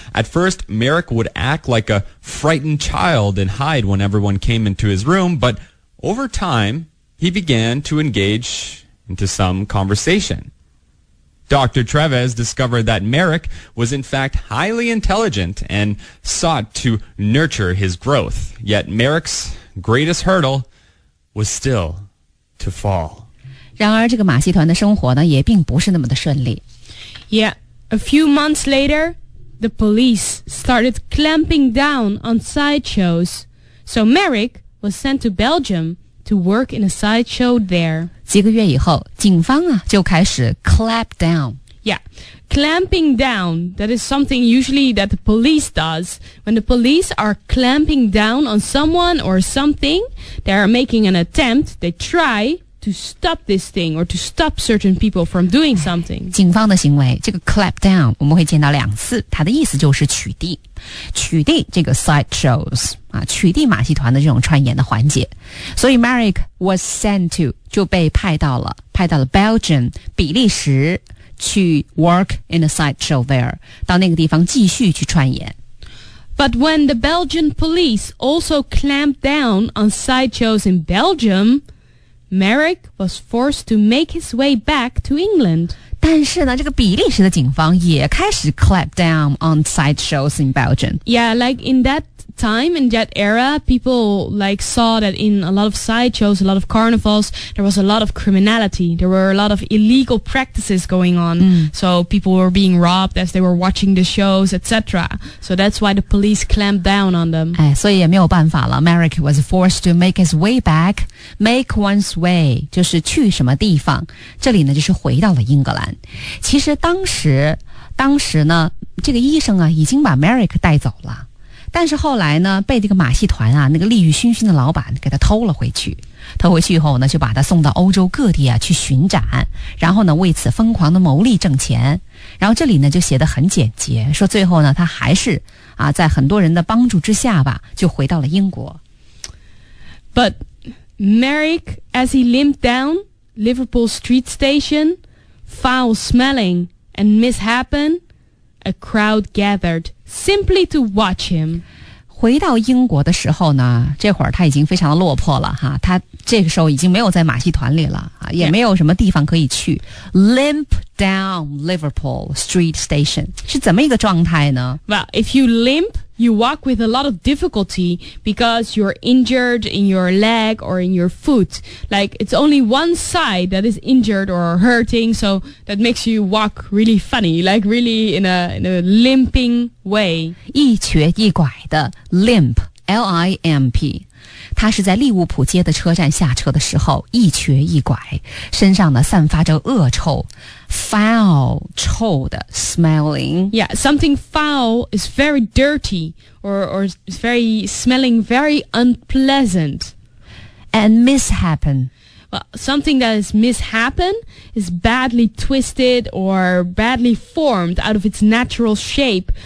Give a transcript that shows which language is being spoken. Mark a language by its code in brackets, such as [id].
[en] At first, Merrick would act like a frightened child and hide when everyone came into his room, but over time, he began to engage into some conversation. Dr. Travis discovered that Merrick was in fact highly intelligent and sought to nurture his growth. Yet Merrick's greatest hurdle was still to fall. [zh] 然而这个马戏团的生活呢也并不是那么的顺利。 [en] Yeah, a few months later, the police started clamping down on sideshows. So Merrick was sent to Belgium to work in a sideshow there. [zh] 几个月以后警方啊就开始 [en] clamp down. Yeah, clamping down, that is something usually that the police does. When the police are clamping down on someone or something, they are making an attempt, they try to stop this thing or to stop certain people from doing something. [zh] 警方的行为这个 [en] clamp down, [zh] 我们会见到两次它的意思就是取缔。取缔这个 sideshows,、啊、取缔马戏团的这种串演的环节。所以 [en] Merrick was sent to, [zh] 就被派到了 Belgium, 比利时去 [en] work in a sideshow there, [zh] 到那个地方继续去串演。 [en] But when the Belgian police also clamped down on sideshows in Belgium, Merrick was forced to make his way back to England. [zh] 但是呢这个比利时的警方也开始 [en] clamp down on sideshows in Belgium. Yeah, like in that time, in that era, people like saw that in a lot of sideshows, a lot of carnivals, there was a lot of criminality. There were a lot of illegal practices going on.、Mm. So people were being robbed as they were watching the shows, etc. So that's why the police clamped down on them. [zh] 哎，所以也没有办法了。 [en] Merrick was forced to make his way back. Make one's way, [zh] 就是去什么地方。这里呢就是回到了英格兰。其实当时呢这个医生啊已经把 Merrick 带走了，但是后来呢被这个马戏团啊那个利欲熏熏的老板给他偷了回去。偷回去以后呢就把他送到欧洲各地啊去巡展，然后呢为此疯狂的牟利挣钱。然后这里呢就写得很简洁，说最后呢他还是啊在很多人的帮助之下吧就回到了英国。 [en] But Merrick, as he limped down Liverpool Street Station, foul smelling and mishappen, a crowd gathered simply to watch him. [zh] 回到英国的时候呢，这会儿他已经非常的落魄了哈，他这个时候已经没有在马戏团里了，也没有什么地方可以去。 [en] Limp down Liverpool Street Station [zh] 是怎么一个状态呢？ [en] Well, if you limp, you walk with a lot of difficulty because you're injured in your leg or in your foot. Like, it's only one side that is injured or hurting, so that makes you walk really funny, like really in a limping way. [zh] 一瘸一拐的 limp, L-I-M-P。他是在利物浦街的车站下车的时候一瘸一拐，身上呢散发着恶臭， foul 臭的 smelling. [en] Yeah, something foul is very dirty or is very smelling very unpleasant. And mishappen. Well, something that is mishappen is badly twisted or badly formed out of its natural shape.